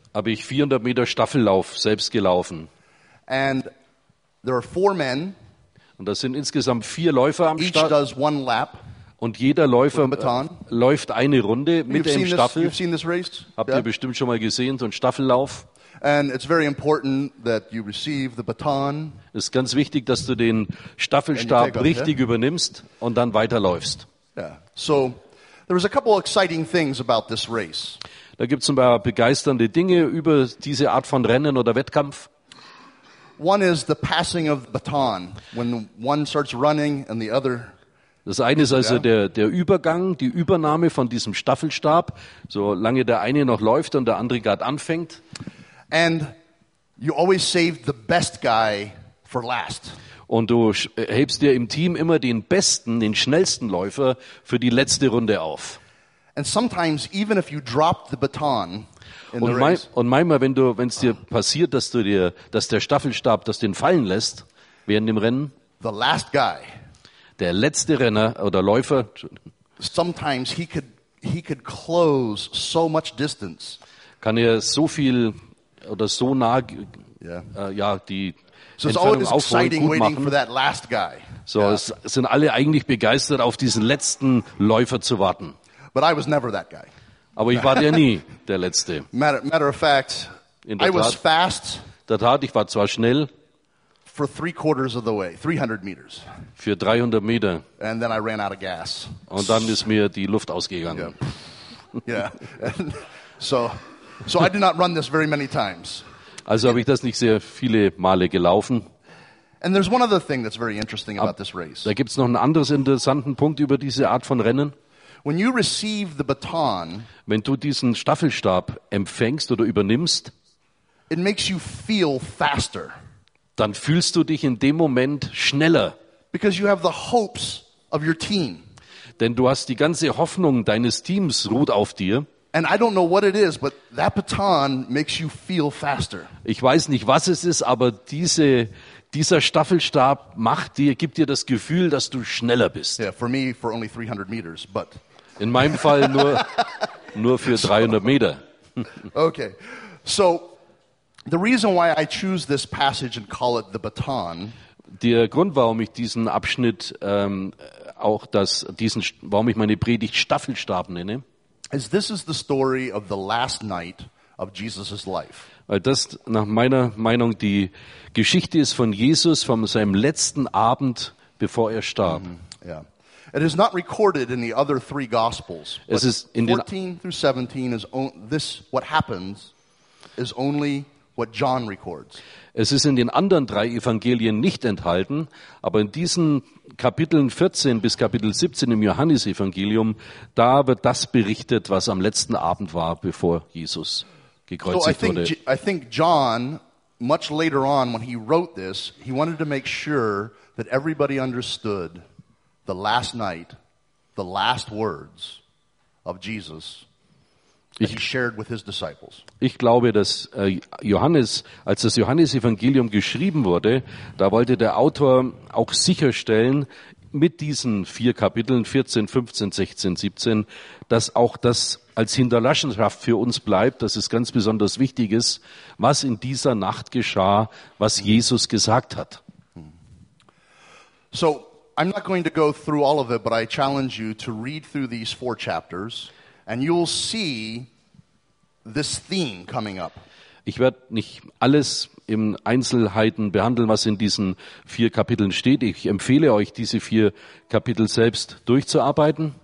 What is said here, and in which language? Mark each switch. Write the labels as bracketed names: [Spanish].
[German] Habe ich 400 Meter Staffellauf selbst gelaufen. [English] And there are four men. [German] Und das sind insgesamt vier Läufer am Start. [English] Each does one lap. [German] Und jeder Läufer läuft eine Runde mit dem Staffel. Habt ihr bestimmt schon mal gesehen, so einen Staffellauf. [English] And it's very important that you receive the baton. [German] Es ist ganz wichtig, dass du den Staffelstab richtig übernimmst und dann weiterläufst. Yeah. [English] So, there was a couple exciting things about this race. [German] Da gibt es ein paar begeisternde Dinge über diese Art von Rennen oder Wettkampf. [English] One is the passing of the baton, when one starts running and the other. [German] Das eine ist also der Übergang, die Übernahme von diesem Staffelstab, solange der eine noch läuft und der andere gerade anfängt. [English] And you always save the best guy for last. [German] Und du hebst dir im Team immer den besten, den schnellsten Läufer für die letzte Runde auf. [English] And sometimes even if you drop the baton in the race. [German] Und manchmal, wenn es dir passiert, dass der Staffelstab das den fallen lässt während dem Rennen. [English] The last guy. [German] Der letzte Renner oder Läufer. [English] Sometimes he could close so much distance. [German] Kann er so viel oder so nah, die so Entfernung aufholen, gut machen. [English] For that last guy. So, yeah. [German] Es sind alle eigentlich begeistert, auf diesen letzten Läufer zu warten. [English] But I was never that guy. [German] Aber ich war ja nie der letzte. [English] Matter of fact, [German] in der Tat, [English] I was fast. [German] Der Tat, ich war zwar schnell. [English] For three quarters of the way, 300 meters. [German] Für 300 Meter. [English] And then I ran out of gas. [German] Und dann ist mir die Luft ausgegangen. Yeah. [English] So I did not run this very many times. [German] Also habe ich das nicht sehr viele Male gelaufen. [English] And there's one other thing that's very interesting about this race. [German] Da gibt's noch einen anderen interessanten Punkt über diese Art von Rennen. [English] When you receive the baton, [German] wenn du diesen Staffelstab empfängst oder übernimmst, [English] it makes you feel faster. [German] Dann fühlst du dich in dem Moment schneller. [English] Because you have the hopes of your team. [German] Denn du hast die ganze Hoffnung deines Teams ruht auf dir. [English] And I don't know what it is, but that baton makes you feel faster. [German] Ich weiß nicht, was es ist, aber dieser Staffelstab gibt dir das Gefühl, dass du schneller bist. [English] Yeah, for me, for only 300 meters, but. [German] In meinem Fall nur für 300 Meter. [English] Okay, so. The reason why I choose this passage and call it the baton. [German] Der Grund, warum ich diesen Abschnitt warum ich meine Predigt Staffelstab nenne, [English] is this is the story of the last night of Jesus's life. [German] Weil das nach meiner Meinung die Geschichte ist von Jesus von seinem letzten Abend, bevor er starb. Mm-hmm. Yeah. [English] It is not recorded in the other three Gospels. [German] Es ist in [English] 14 through 17 is this what happens is only what John records. [German] Es ist in den anderen drei Evangelien nicht enthalten, aber in diesen Kapiteln 14 bis Kapitel 17 im Johannesevangelium, da wird das berichtet, was am letzten Abend war, bevor Jesus gekreuzigt wurde. [English] I think John, much later on, when he wrote this, he wanted to make sure that everybody understood the last night, the last words of Jesus. He shared with his disciples. [German] Ich glaube, dass Johannes, als das Johannesevangelium geschrieben wurde, da wollte der Autor auch sicherstellen, mit diesen vier Kapiteln, 14, 15, 16, 17, dass auch das als Hinterlassenschaft für uns bleibt, dass es ganz besonders wichtig ist, was in dieser Nacht geschah, was Jesus gesagt hat. [English] So, I'm not going to go through all of it, but I challenge you to read through these four chapters. And you'll see this theme coming up. [German] Ich werde nicht alles im Einzelheiten behandeln, was in diesen vier Kapiteln steht. Ich empfehle euch, diese vier Kapitel selbst durchzuarbeiten.